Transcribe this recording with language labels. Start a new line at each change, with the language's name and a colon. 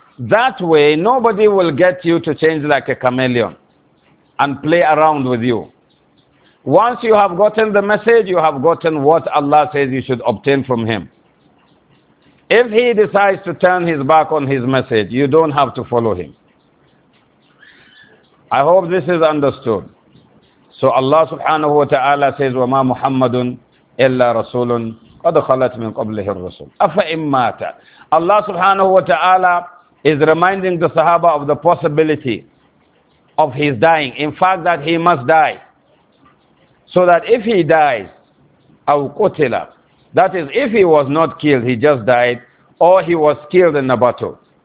English: That way, nobody will get you to change like a chameleon and play around with you. Once you have gotten the message, you have gotten what Allah says you should obtain from Him. If He decides to turn His back on His message, you don't have to follow Him. I hope this is understood. So Allah subhanahu wa ta'ala says,
Arabic: وَمَا مُحَمَّدٌ إِلَّا رَسُولٌ قَدْ خَلَتْ مِنْ قَبْلِهِ الرَّسُولُ أَفَإِمْ مَاتَ.
English: Allah subhanahu wa ta'ala is reminding the Sahaba of the possibility of his dying. In fact, that he must die. So that if he dies,
Arabic: أَوْ قُتِلَ,
English: that is, if he was not killed, he just died, or he was killed in the battle.